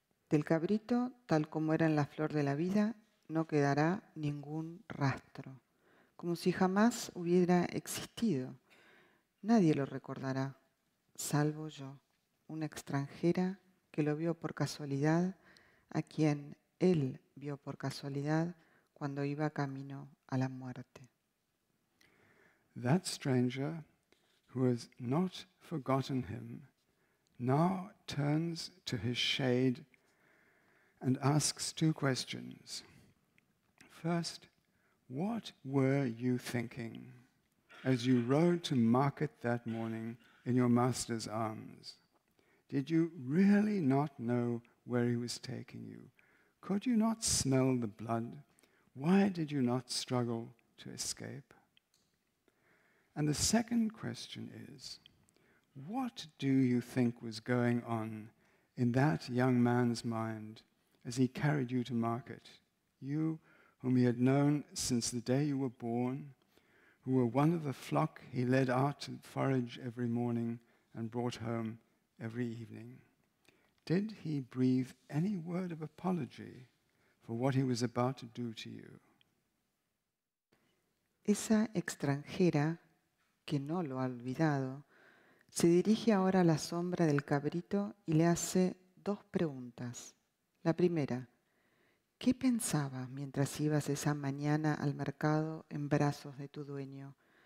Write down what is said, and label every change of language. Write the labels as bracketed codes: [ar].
[es] Del cabrito, tal como era en la flor de la vida, no quedará ningún rastro, como si jamás hubiera existido. Nadie lo recordará, salvo yo, una extranjera que lo vio por casualidad, a quien él vio por casualidad cuando iba camino a la muerte. [en] That stranger, who has not forgotten him, now turns to his shade and asks two questions. First, what were you thinking as you rode to market that morning in your master's arms? Did you really not know where he was taking you? Could you not smell the blood? Why did you not struggle to escape? And the second question is, what do you think was going on in that young man's mind as he carried you to market? You, whom he had known since the day you were born, who were one of the flock he led out to forage every morning and brought home every evening. Did he breathe any word of apology for what he was about to do to you? [es] Esa extranjera, que no lo ha olvidado, se dirige ahora a la sombra del cabrito y le hace dos preguntas. La primera, ¿qué pensabas mientras ibas esa mañana al mercado en brazos de tu dueño?